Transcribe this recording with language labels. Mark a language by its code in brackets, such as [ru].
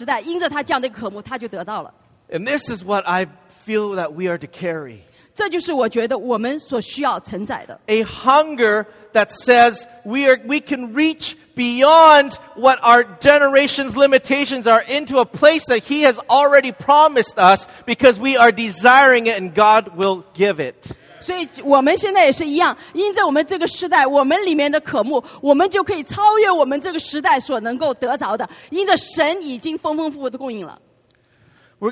[zh] 所以就是在当时他这个时代呢，他因为他里面的渴慕，所以因为他里面的需要，他能够把这个现在这个时代所能够领，我们能够接触的这样的一个饼，在当时一个时代，因着他这样的渴慕，他就得到了。 [en] And this is what I feel that we are to carry. [zh] 这就是我觉得我们所需要承载的。 [en] A hunger that says we can reach beyond what our generation's limitations are into a place that he has already promised us because we are desiring it and God will give it. [zh] 所以我们现在也是一样，因着我们这个时代，我们里面的渴慕，我们就可以超越我们这个时代所能够得着的，因着神已经丰丰富富的供应了。 [en] We're